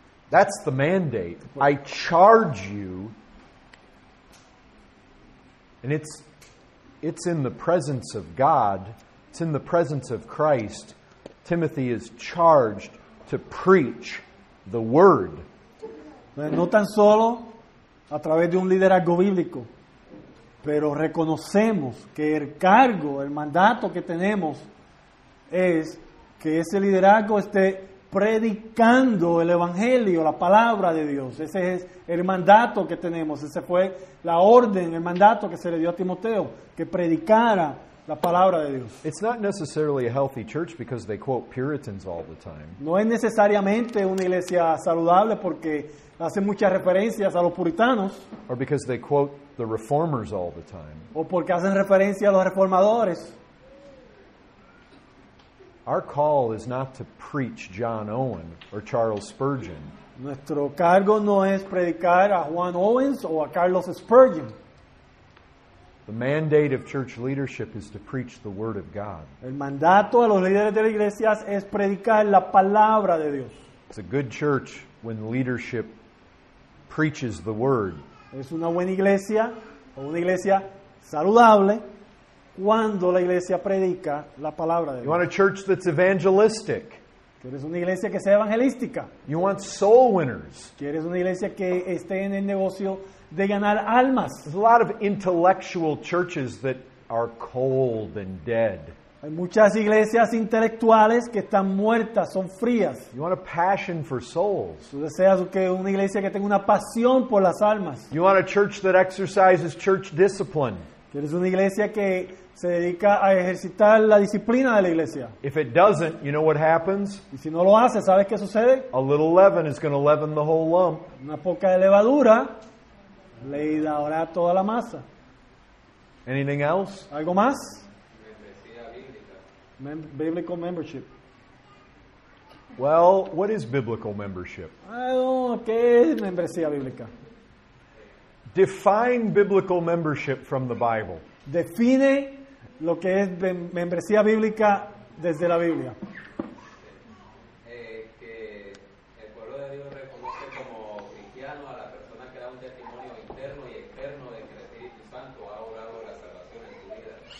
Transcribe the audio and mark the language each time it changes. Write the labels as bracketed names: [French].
[English] That's the mandate. I charge you, and it's in the presence of God, it's in the presence of Christ, Timothy is charged to preach the Word. [Spanish] No tan solo a través de un liderazgo bíblico, pero reconocemos que el cargo, el mandato que tenemos es que ese liderazgo esté predicando el Evangelio, la Palabra de Dios. Ese es el mandato que tenemos. Ese fue la orden, el mandato que se le dio a Timoteo, que predicara la Palabra de Dios. [English] It's not necessarily a healthy church because they quote Puritans all the time. [Spanish] No es necesariamente una iglesia saludable porque hace muchas referencias a los puritanos. [English] Or because they quote the reformers all the time. [Spanish] O porque hacen referencia a los reformadores. [English] Our call is not to preach John Owen or Charles Spurgeon. [Spanish] Nuestro cargo no es predicar a Juan Owens o a Carlos Spurgeon. [English] The mandate of church leadership is to preach the Word of God. [Spanish] El mandato de los líderes de las iglesias es predicar la Palabra de Dios. [English] It's a good church when leadership preaches the Word. [Spanish] Es una buena iglesia, o una iglesia saludable, cuando la iglesia predica la Palabra de Dios. [English] You want a church that's evangelistic. [Spanish] ¿Quieres una iglesia que sea evangelística? [English] You want soul winners. [Spanish] ¿Quieres una iglesia que esté en el negocio de ganar almas? [English] There's a lot of intellectual churches that are cold and dead. [Spanish] Hay muchas iglesias intelectuales que están muertas, son frías. [English] You want a passion for souls. [Spanish] Tú deseas que una iglesia que tenga una pasión por las almas. [English] You want a church that exercises church discipline. [Spanish] ¿Quieres una iglesia que se dedica a ejercitar la disciplina de la iglesia? [English] If it doesn't, you know what happens? [Spanish] Y si no lo hace, ¿sabes qué sucede? [English] A little leaven is going to leaven the whole lump. [Spanish] Una poca de levadura leudará toda la masa. [English] Anything else? [Spanish] ¿Algo más? [English] Biblical membership. Well, what is biblical membership? [Spanish] ¿Qué es membresía bíblica? [English] Define biblical membership from the Bible. [Spanish] Define lo que es membresía bíblica desde la Biblia. Que el pueblo de Dios reconoce como cristiano a la persona que da un testimonio interno y externo de que el Espíritu Santo ha obrado la salvación en su vida.